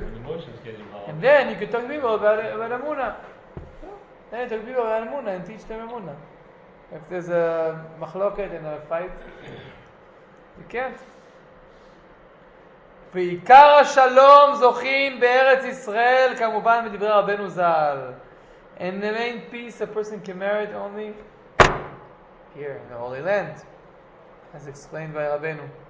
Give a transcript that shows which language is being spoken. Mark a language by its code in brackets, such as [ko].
[en] The emotions get involved. And then you could talk to people about it, about Amuna. Then you talk to people about Emunah and teach them Emunah. If there's a machloket and a fight, you can't. [he] ועיקר השלום זוכים בארץ ישראל, כמובן בדברי רבנו ז"ל. [en] And the main peace a person can merit only here in the Holy Land, as explained by Rabbeinu.